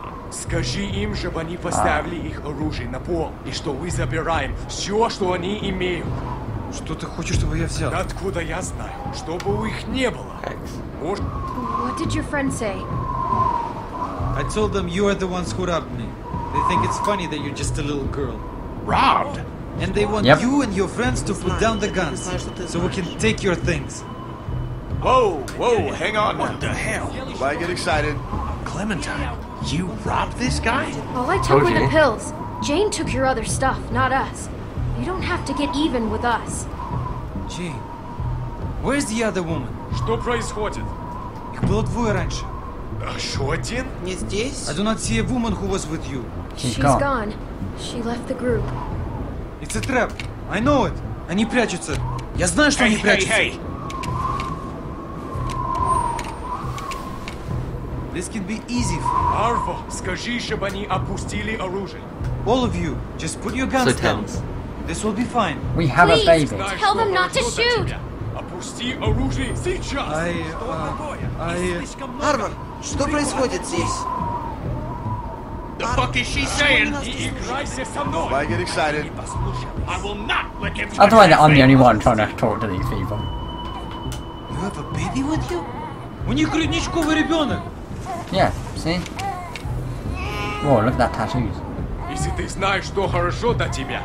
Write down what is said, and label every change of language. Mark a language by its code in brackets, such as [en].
[ru] Скажи им, чтобы они поставили их оружие на пол, и что мы забираем все, что они имеют. Что ты хочешь, чтобы я взял? Да откуда я знаю? Чтобы у их не было. Может... [en] What did your friend say? I told them you are the ones who robbed me. They think it's funny that you're just a little girl. Robbed? And they want you and your friends to put down the guns, so we can take your things. Whoa, hang on. What the hell? Why get excited? Clementine, you robbed this guy? All I took were the pills. Jane took your other stuff, not us. You don't have to get even with us. Jane, where's the other woman? [ru] Что происходит? Их было двое раньше. Еще один? Не здесь. [en] I do not see a woman who was with you. She's gone. She left the group. It's a trap. I know it. [ru] Они прячутся. Я знаю, что они прячутся. [en] Hey. This can be easy for you. [ru] Арво, скажи, чтобы они опустили оружие. [en] All of you, just put your guns down. This will be fine. We have Please, a baby. Please, tell them not to shoot! [ru] Опусти оружие сейчас! Арво, что происходит здесь? [en] The fuck is she saying? [ru] He играется со мной! [en] Why get excited? I will not let him touch my face! I'm the only one trying to talk to these people. You have a baby with you? [ru] У них грудничковый ребенок! [en] Yeah, see? Whoa, look at that tattoos. [ru] Если ты знаешь, что хорошо для тебя,